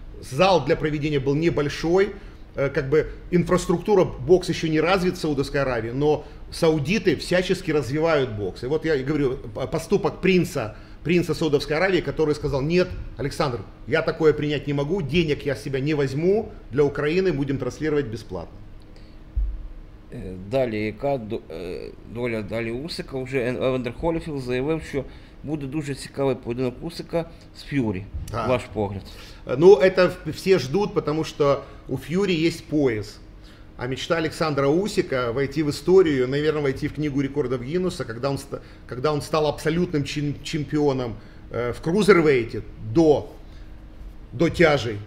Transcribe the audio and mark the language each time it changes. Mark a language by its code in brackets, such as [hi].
[ru] Зал для проведения был небольшой. Как бы инфраструктура бокс еще не развит в Саудовской Аравии, но саудиты всячески развивают бокс. И вот я говорю, поступок принца, принца Саудовской Аравии, который сказал, нет, Александр, я такое принять не могу, денег я с себя не возьму, для Украины будем транслировать бесплатно. Далее, [uk] яка доля далі Усика, уже Евандер Холіфілд заявив, що буде дуже цікавий поєдинок Усика з Фьюрі, ваш погляд. [ru] Ну, это все ждут, потому что у Фьюри есть пояс. А мечта Александра Усика войти в историю, наверное, войти в книгу рекордов Гиннесса, когда он стал абсолютным чемпионом в крузервейте до тяжей.